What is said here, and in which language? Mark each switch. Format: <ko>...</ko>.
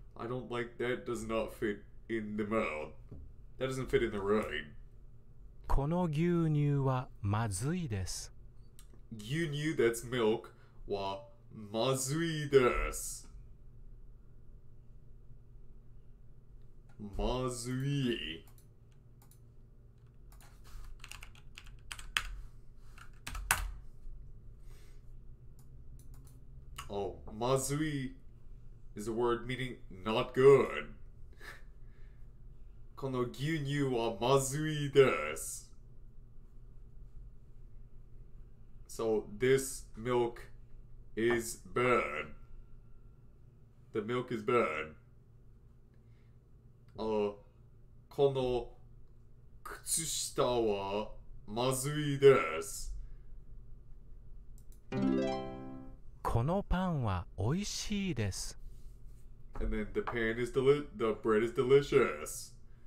<en>I don't like that does not fit in the mouth. That doesn't fit in the rind.</en> <ja>この牛乳はまずいです。牛乳、</ja> <en>that's milk,</en> <ja>はまずいです。まずい。</ja> <en>Oh, mazui is a word meaning not good.</en> <ja>この牛乳はまずいです。</ja> <en>So this milk is bad. The milk is bad.</en> <ja>この靴下はまずいです。このパンは美味しいです。</ja> <en>And then the pan is the bread is delicious.</en>